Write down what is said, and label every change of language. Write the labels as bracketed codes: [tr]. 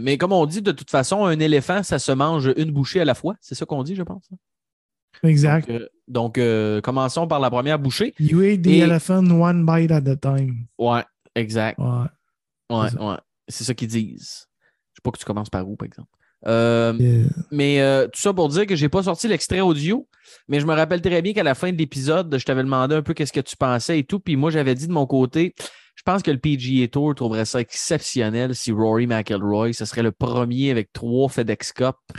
[fr] Mais comme on dit, de toute façon, un éléphant, ça se mange une bouchée à la fois. C'est ça qu'on dit, je pense. Exact. Donc, commençons par la première bouchée. [en] You eat the elephant one bite at a time. [fr] Ouais, exact. Ouais. C'est ça qu'ils disent. Je sais pas que tu commences par où, par exemple. Mais tout ça pour dire que j'ai pas sorti l'extrait audio, mais je me rappelle très bien qu'à la fin de l'épisode, je t'avais demandé un peu qu'est-ce que tu pensais et tout, puis moi, j'avais dit de mon côté... Je pense que le PGA Tour trouverait ça exceptionnel si Rory McIlroy, ce serait le premier avec 3 FedEx Cup.